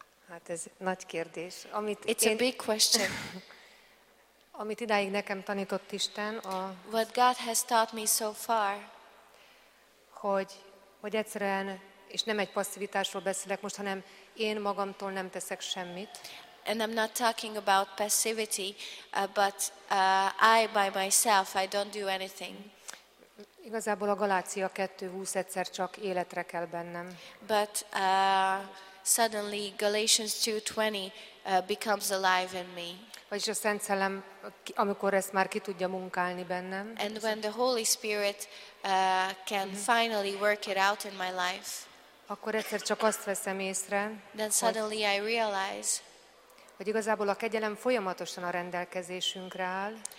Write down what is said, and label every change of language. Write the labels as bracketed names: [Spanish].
[Hungarian] Hát ez nagy kérdés. [English] It's a big question. [Hungarian] Amit idáig nekem tanított Isten, [English] what God has taught me so far, [Hungarian] hogy egyszerűen, és nem egy passzivitásról beszélek most, hanem én magamtól nem teszek semmit. [English] And I'm not talking about passivity, but I by myself, I don't do anything. [Hungarian] Igazából a Galácia 2:20 egyszer csak életre kell bennem. [English] But suddenly Galatians 2:20 becomes alive in me. [Hungarian] Vagyis a Szent Szellem, amikor ezt már ki tudja munkálni bennem. [English] And when the Holy Spirit can finally work it out in my life. [Hungarian] akkor egyszer csak azt veszem észre, [English] then suddenly I realize, [Hungarian] hogy igazából a kegyelem folyamatosan a rendelkezésünkre áll.